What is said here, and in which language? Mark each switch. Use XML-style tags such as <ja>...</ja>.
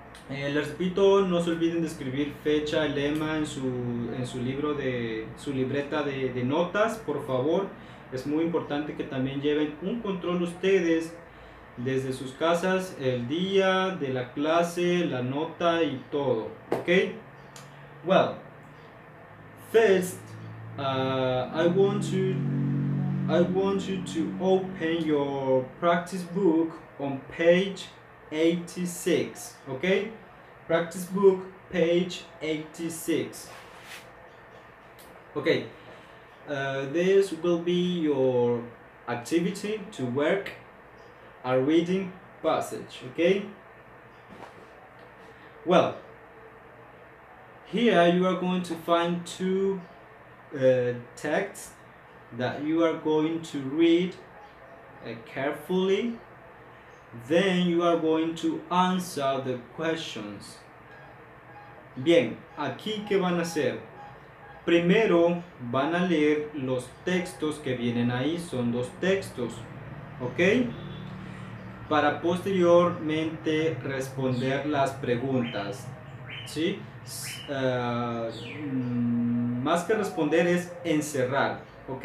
<es>Les repito, no se olviden de escribir fecha, lema en su libro de su libreta de notas, por favor. Es muy importante que también lleven un control ustedes desde sus casas, el día de la clase, la nota y todo, ¿ok?</es> <en>Well, first, I want you to open your practice book on page 86, okay? Practice book, page 86. Okay, this will be your activity to work a reading passage, okay? Well, here you are going to find two texts that you are going to read carefully. Then you are going to answer the questions.</en> <es>Bien, aquí qué van a hacer. Primero van a leer los textos que vienen ahí. Son dos textos, ¿ok? Para posteriormente responder las preguntas, ¿sí? Más que responder es encerrar, ¿ok?</es>